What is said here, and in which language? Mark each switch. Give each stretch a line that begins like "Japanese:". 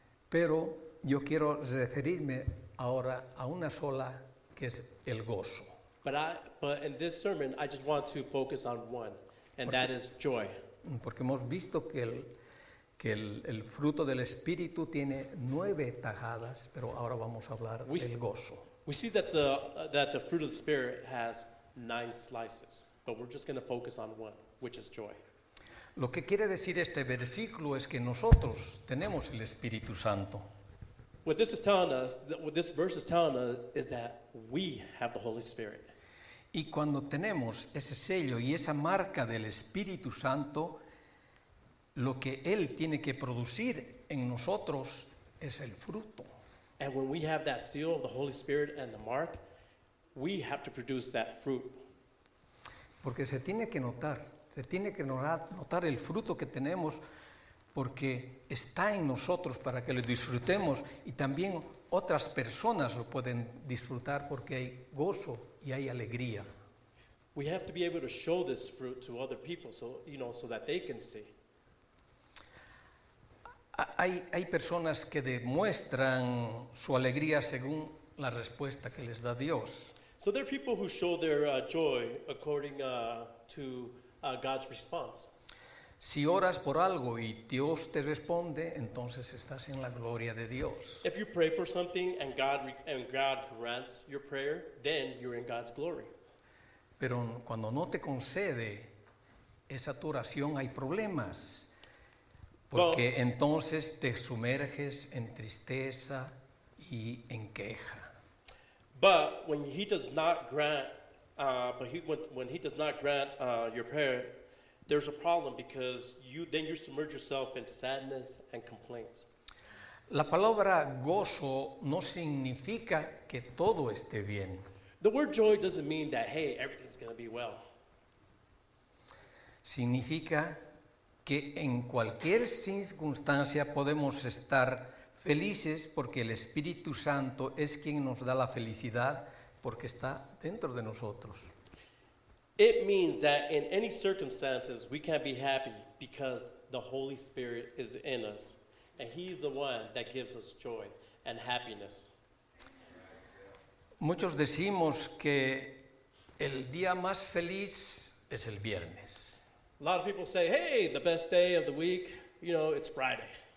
Spanish: Pero yo quiero referirme ahora a una sola, que es el gozo.
English: But in this sermon, I just want to focus on one, and that is joy.
Spanish: Porque hemos visto que el fruto del Espíritu tiene 9 tajadas, pero ahora vamos a hablar del gozo.
English: We see that the fruit of the Spirit has 9 slices, but we're just going to focus on one, which is joy.
Spanish: Lo que quiere decir este versículo es que nosotros tenemos el Espíritu Santo.
English: What this is telling us, what this verse is telling us, is that we have the Holy Spirit.
Spanish: Y cuando tenemos ese sello y esa marca del Espíritu Santo, lo que Él tiene que producir en nosotros es el fruto.
English: And when we have that seal of the Holy Spirit and the mark, we have to produce that fruit.
Spanish: Porque se tiene que notar el fruto que tenemos, porque está en nosotros para que lo disfrutemos, y también otras personas lo pueden disfrutar porque hay gozo y hay alegría.
English: We have to be able to show this fruit to other people so that they can see.
Spanish: Hay personas que demuestran su alegría según la respuesta que les da Dios.
English: So there are people who show their joy according to God's response.
Spanish: Si oras por algo y Dios te responde, entonces estás en la gloria de Dios.
English: If you pray for something and God grants your prayer, then you're in God's glory.
Spanish: Pero cuando no te concede esa tu oración, hay problemas. Porque well, entonces te sumerges en tristeza y en queja.
English: But when he does not grant your prayer, there's a problem because you submerge yourself in sadness and complaints.
Spanish: La palabra gozo no significa que todo esté bien.
English: The word joy doesn't mean that, hey, everything's going to be well.
Spanish: Significa que en cualquier circunstancia podemos estar felices porque el Espíritu Santo es quien nos da la felicidad porque está dentro de nosotros.
English: It means that in any circumstances we can be happy because the Holy Spirit is in us and he's the one that gives us joy and happiness.
Spanish: Muchos decimos que el día más feliz es el viernes.
English: A lot of people say, hey, the best day of the week, you know, it's Friday.